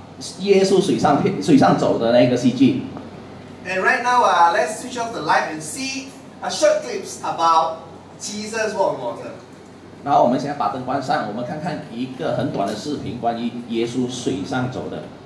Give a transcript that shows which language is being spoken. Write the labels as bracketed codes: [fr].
[zh] 让我们鼓起掌声来，让我感谢我们之前那些青少年们给我们演出了一套耶稣水上走的那个戏剧。 [en] And right now, let's switch off the light and see a short clip about Jesus walking on water. [zh] 然后我们现在把灯关上，我们看看一个很短的视频，关于耶稣水上走的。